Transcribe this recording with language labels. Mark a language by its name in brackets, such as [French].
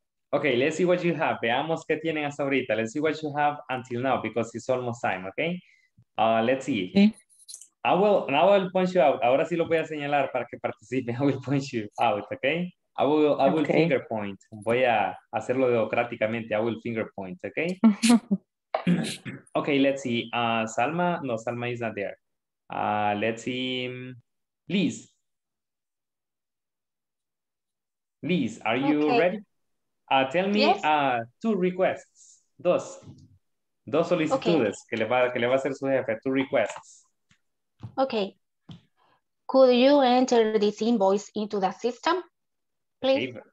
[English] Okay, let's see what you have. [Spanish] Veamos qué tienen hasta ahorita. [English] Let's see what you have until now because it's almost time, okay? Let's see. Okay. I will point you out. [Spanish] Ahora sí lo voy a señalar para que participe. [English] I will point you out, okay? I will okay. Finger point. [Spanish] Voy a hacerlo democráticamente. [English] I will finger point, okay? Okay, let's see. Salma, no, Salma is not there. Let's see. Liz, are you okay. Ready? Tell me yes. Two requests, [Spanish] dos solicitudes [English] okay. [Spanish] que le va a hacer su jefe, two requests. [English] Okay. Could you enter this invoice into the system, please?